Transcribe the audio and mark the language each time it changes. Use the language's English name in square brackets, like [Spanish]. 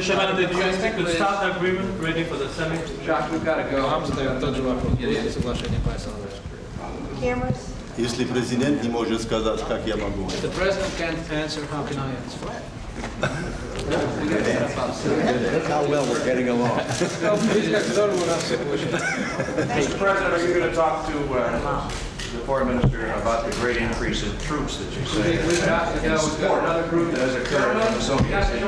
[English] Shevardnadze, do you expect to start the agreement ready for the summit? Jack, we've got to go. I'm staying on the road. Cameras. [Russian] Если президент не может сказать, как я могу. [English] If the president can't answer, how can I answer? Look how well we're getting along. Mr. President, are you going to talk to the foreign minister about the great increase in troops that you say in support another group that has occurred in the Soviet Union?